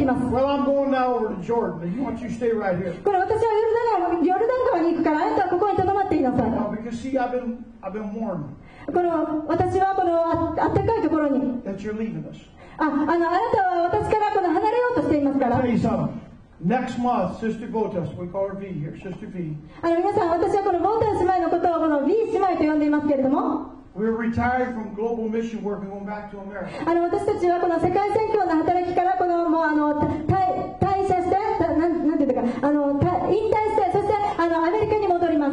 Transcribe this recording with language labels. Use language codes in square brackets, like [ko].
[en] Well, I'm going now over to Jordan. Why don't you stay right here? [ja] これ私はヨルダン川に行くから、あなたはここに留まっていなさい。 [en] Well, because see, I've been warm. [ja] この私はこの暖かいところに。 [en] That you're leaving us. [ja] あなたは私からこの離れようとしていますから。 [en] I'll tell you something. Next month, Sister Gotas, we call her V here, Sister V. [ja] 皆さん、私はこのボータン姉妹のことをこの V 姉妹と呼んでいますけれども。 [en] We're retired from global mission work and going back to America. [ja] 私たちはこの世界宣教の働きからこのもう退社して、なんていうか引退して、そしてアメリカに戻ります。